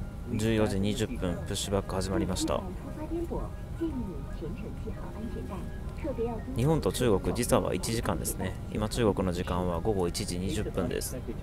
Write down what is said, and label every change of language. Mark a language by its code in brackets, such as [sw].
[ja] 14時20分、プッシュバック始まりました。 [zh] 出发颠簸，建议您全程系好安全带。 [ja] 日本と中国時差は1時間ですね。今中国の時間は午後1時20分です。